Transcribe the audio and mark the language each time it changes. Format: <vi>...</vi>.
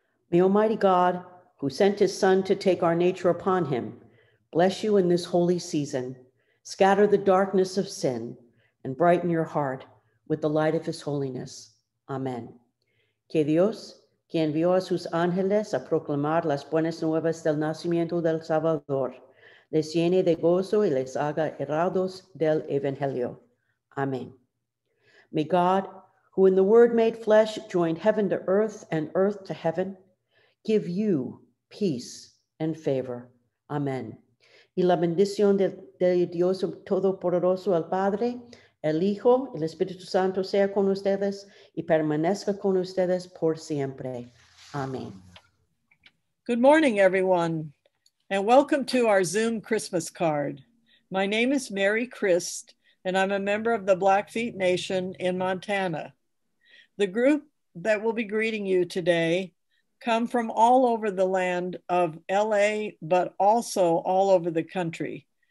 <en>May Almighty God, who sent his Son to take our nature upon him, bless you in this holy season, scatter the darkness of sin, and brighten your heart with the light of his holiness. Amen.</en> <es>Que Dios, que envió a sus ángeles a proclamar las buenas nuevas del nacimiento del Salvador, les llene de gozo y les haga herados del Evangelio.</es> <en>Amen. May God, who in the Word made flesh joined heaven to earth and earth to heaven, give you peace and favor. Amen.</en> <es>Y la bendición de Dios Todopoderoso, el Padre, el Hijo, el Espíritu Santo sea con ustedes y permanezca con ustedes por siempre.</es> <en>Amen. Good morning, everyone, and welcome to our Zoom Christmas card. My name is Mary Christ, and I'm a member of the Blackfeet Nation in Montana. The group that will be greeting you today come from all over the land of LA, but also all over the country.</en>